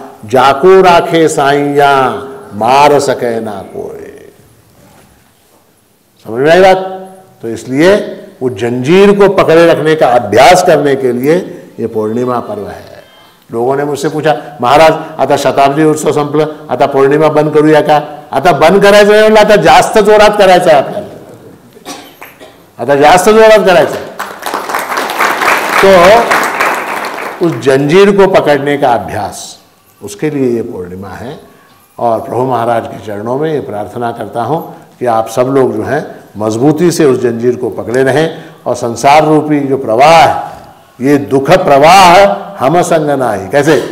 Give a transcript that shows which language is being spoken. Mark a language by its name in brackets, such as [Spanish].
[Hindi] जाको राखे साइया, मार सके ना कोई। समझ में आई बात? तो इसलिए वो जंजीर को पकड़े रखने का अभ्यास करने के लिए ये पूर्णिमा पर्व है। लोगों ने मुझसे पूछा, [Marathi] महाराज आता शताब्दी उत्सव संपल, आता पूर्णिमा बंद करू या का? आता बंद करायचं नाही, आता जास्त जोरात करायचं आहे आपल्याला, आता जास्त जोरात करायचं। [Hindi] तो उस जंजीर को पकड़ने का अभ्यास, उसके लिए ये पूर्णिमा है। और प्रभु महाराज के चरणों में ये प्रार्थना करता हूँ कि आप सब लोग जो हैं मजबूती से उस जंजीर को पकड़े रहें, और संसार रूपी जो प्रवाह है, ये दुख प्रवाह हम संग नाही। कैसे?